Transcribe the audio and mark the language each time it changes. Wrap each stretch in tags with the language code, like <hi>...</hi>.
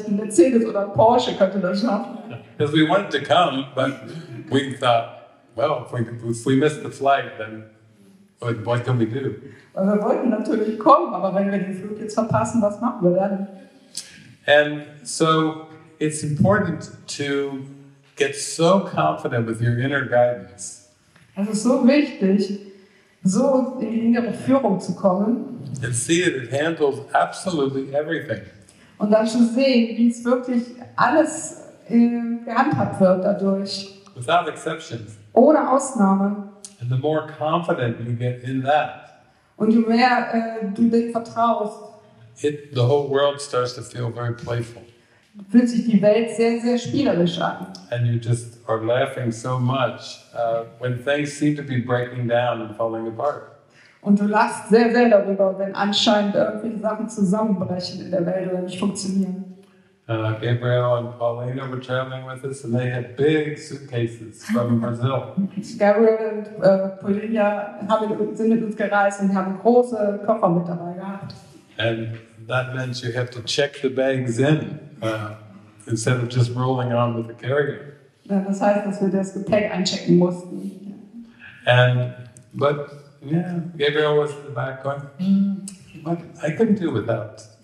<en>Because we wanted to come, but we thought, well, if we miss the flight, then what can we do? And so it's important to get so confident with your inner guidance.</en> <de>Es ist so wichtig, so in die innere Führung zu kommen.</de> <en>And see that it handles absolutely everything.</en> <de>Und dann zu sehen, wie es wirklich alles gehandhabt wird dadurch.</de> <en>Without exceptions.</en> <de>Ohne Ausnahmen.</de> <en>And the more confident you get in that.</en> <de>Und je mehr du dem vertraust.</de> <en>It, the whole world starts to feel very playful.</en> <de>Fühlt sich die Welt sehr, sehr spielerisch an.</de> <en>And you just are laughing so much when things seem to be breaking down and falling apart.</en> <de>Und du lachst sehr, sehr darüber, wenn anscheinend irgendwelche Sachen zusammenbrechen in der Welt oder nicht funktionieren.</de> <en>Gabriel and Paulina were traveling with us and they had big suitcases from Brazil.</en> <de>Gabriel und Paulina sind mit uns gereist und haben große Koffer mit dabei gehabt.</de> <en>And that means you have to check the bags in. Instead of just rolling on with the carrier.</en> <de>Ja, das heißt, dass wir das Gepäck einchecken mussten.</de> <en>And, but, yeah, Gabriel was in the back going, but I couldn't do without.</en>